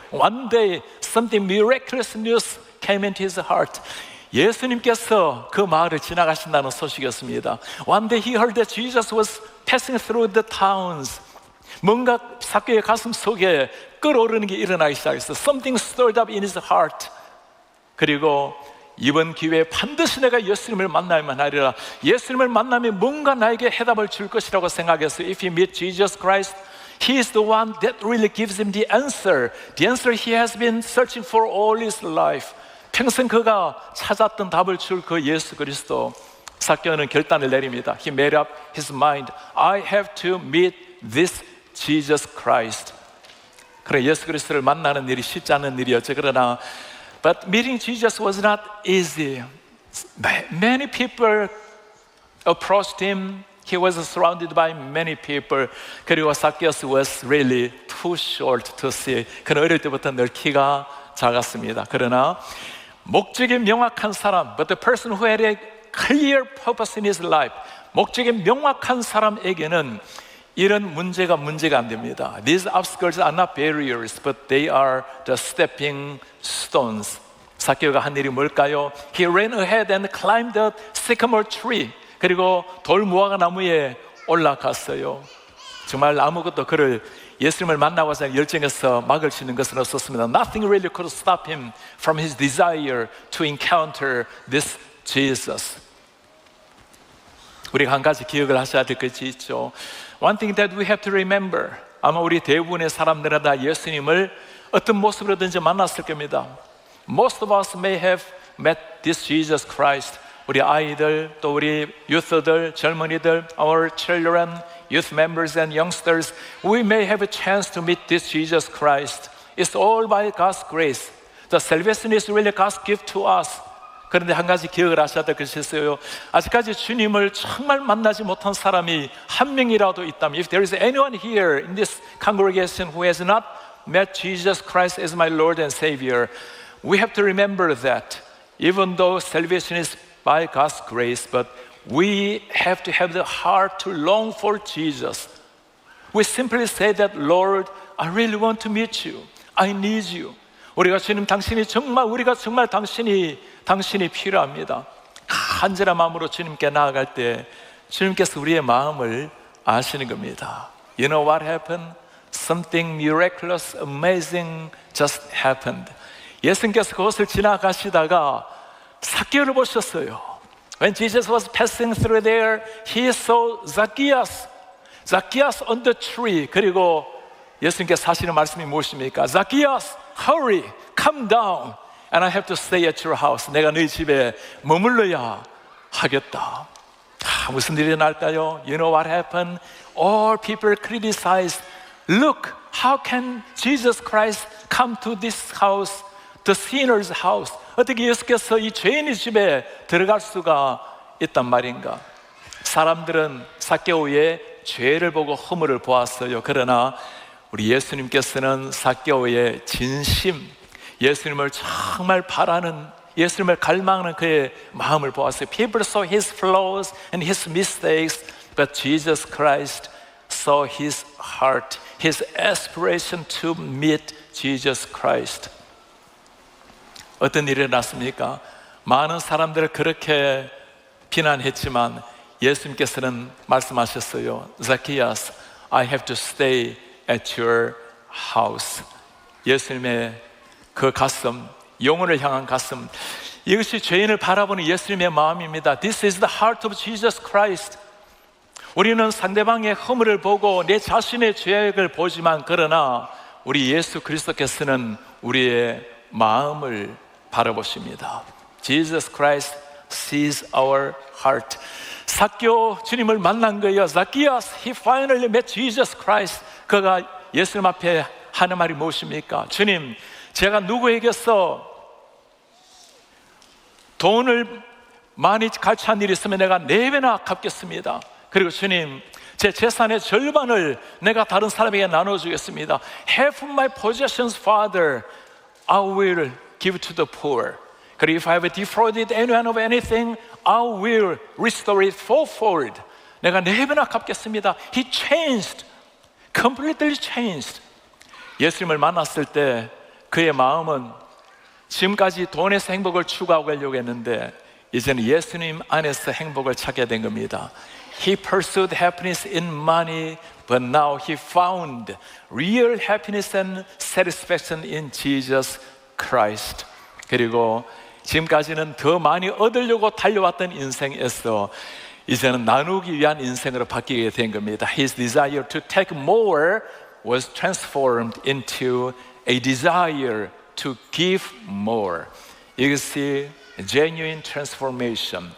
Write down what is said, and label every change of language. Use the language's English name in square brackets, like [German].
[English] One day something miraculous news came into his heart. [Korean] 예수님께서 그 마을을 지나가신다는 소식이었습니다. [English] One day he heard that Jesus was passing through the towns. [Korean] 뭔가 사케오의 가슴 속에 끓어오르는 게 일어나기 시작했어요. [English] Something stirred up in his heart. [Korean] 그리고 이번 기회에 반드시 내가 예수님을 만나야만 하리라. 예수님을 만나면 뭔가 나에게 해답을 줄 것이라고 생각했어. [English] If he meets Jesus Christ, he is the one that really gives him the answer. The answer he has been searching for all his life. [Korean] 평생 그가 찾았던 답을 줄 그 예수 그리스도. 사케오는 결단을 내립니다. [English] He made up his mind. I have to meet this Jesus Christ. [Korean] 그래, 예수 그리스도를 만나는 일이 쉽지 않은 일이었죠. 그러나 [English] But meeting Jesus was not easy. Many people approached him. He was surrounded by many people. [Korean] 그리고 [English] Zacchaeus was really too short to see. [Korean] 그는 어릴 때부터 늘 키가 작았습니다. 그러나 목적이 명확한 사람, [English] but the person who had a clear purpose in his life, [Korean] 목적이 명확한 사람에게는 이런 문제가 안 됩니다. [English] These obstacles are not barriers, but they are the stepping stones. [Korean] 사케오가 한 일이 뭘까요? [English] He ran ahead and climbed the sycamore tree. [Korean] 그리고 돌무화과 나무에 올라갔어요. 정말 아무것도 그를 예수님을 만나고자 열정에서 막을 수 있는 것은 없었습니다. [English] Nothing really could stop him from his desire to encounter this Jesus. [Korean] 우리가 한 가지 기억을 하셔야 될 것이 있죠. [English] One thing that we have to remember, [Korean] 아마 우리 대부분의 사람들은 다 예수님을 어떤 모습으로든지 만났을 겁니다. [English] Most of us may have met this Jesus Christ. [Korean] 우리 아이들, 또 우리 유스들, 젊은이들, [English] our children, youth members and youngsters, we may have a chance to meet this Jesus Christ. It's all by God's grace. The salvation is really God's gift to us. [Korean] 그런데 한 가지 기억을 하셔야 될 것이 있어요. 아직까지 주님을 정말 만나지 못한 사람이 한 명이라도 있다면, [English] If there is anyone here in this congregation who has not met Jesus Christ as my Lord and Savior, we have to remember that even though salvation is by God's grace, but we have to have the heart to long for Jesus. We simply say that, Lord, I really want to meet you. I need you. [Korean] 우리가 주님 당신이 정말 우리가 정말 당신이 필요합니다. 간절한 마음으로 주님께 나아갈 때 주님께서 우리의 마음을 아시는 겁니다. [English] You know what happened? Something miraculous, amazing just happened. [Korean] 예수님께서 그곳을 지나가시다가 삭개오를 보셨어요. [English] When Jesus was passing through there, he saw Zacchaeus. Zacchaeus on the tree. [Korean] 그리고 예수님께서 하시는 말씀이 무엇입니까? [English] Zacchaeus, hurry, come down. And I have to stay at your house. [Korean] 내가 너희 집에 머물러야 하겠다. 무슨 일이 날까요? [English] You know what happened? All people criticized. Look, how can Jesus Christ come to this house, the sinner's house? [Korean] 어떻게 예수께서 이 죄인의 집에 들어갈 수가 있단 말인가? 사람들은 사케오의 죄를 보고 허물을 보았어요. 그러나 우리 예수님께서는 사케오의 진심, 예수님을 정말 바라는, 예수님을 갈망하는 그의 마음을 보았어요. [English] People saw his flaws and his mistakes, but Jesus Christ saw his heart, his aspiration to meet Jesus Christ. [Korean] 어떤 일이 일어났습니까? 많은 사람들을 그렇게 비난했지만 예수님께서는 말씀하셨어요. [English] Zacchaeus, I have to stay at your house. [Korean] 예수님의 그 가슴, 영혼을 향한 가슴, 이것이 죄인을 바라보는 예수님의 마음입니다. [English] This is the heart of Jesus Christ. [Korean] 우리는 상대방의 허물을 보고 내 자신의 죄악을 보지만 그러나 우리 예수 그리스도께서는 우리의 마음을 바라보십니다. [English] Jesus Christ sees our heart. [Korean] 삭개오 주님을 만난 거예요. [English] Zacchaeus, he finally met Jesus Christ. [Korean] 그가 예수님 앞에 하는 말이 무엇입니까? 주님, 제가 누구에게서 돈을 많이 갈취한 일이 있으면 내가 네 배나 갚겠습니다. 그리고 주님, 제 재산의 절반을 내가 다른 사람에게 나눠주겠습니다. [English] Half of my possessions, Father, I will give to the poor. [Korean] 그리고 [English] if I have defrauded anyone of anything, I will restore it fourfold. [Korean] 내가 네 배나 갚겠습니다. [English] He changed, completely changed. [Korean] 예수님을 만났을 때 그의 마음은 지금까지 돈에서 행복을 추구하려고 했는데 이제는 예수님 안에서 행복을 찾게 된 겁니다. [English] He pursued happiness in money, but now he found real happiness and satisfaction in Jesus Christ. [Korean] 그리고 지금까지는 더 많이 얻으려고 달려왔던 인생에서 이제는 나누기 위한 인생으로 바뀌게 된 겁니다. [English] His desire to take more was transformed into a desire to give more. [Korean] 이것이 [English] genuine transformation.